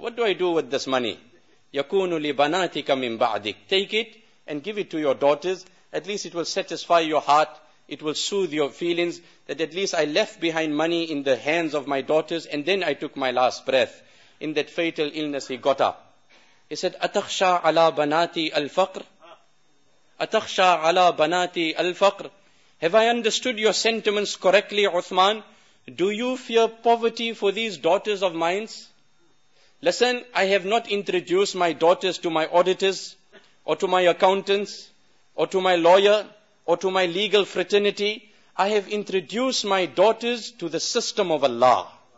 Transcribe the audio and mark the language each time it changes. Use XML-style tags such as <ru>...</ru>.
<en>What do I do with this money?</en> <ar>Yakunu li banatika min ba'dik.</ar> <en>Take it and give it to your daughters. At least it will satisfy your heart. It will soothe your feelings. That at least I left behind money in the hands of my daughters. And then I took my last breath. In that fatal illness, he got up. He said,</en> <ar>أَتَخْشَى عَلَى بَنَاتِ الْفَقْرِ أَتَخْشَى عَلَى بَنَاتِ الْفَقْرِ.</ar> <en>Have I understood your sentiments correctly, Uthman? Do you fear poverty for these daughters of mine? Listen, I have not introduced my daughters to my auditors, or to my accountants, or to my lawyer, or to my legal fraternity. I have introduced my daughters to the system of Allah.</en>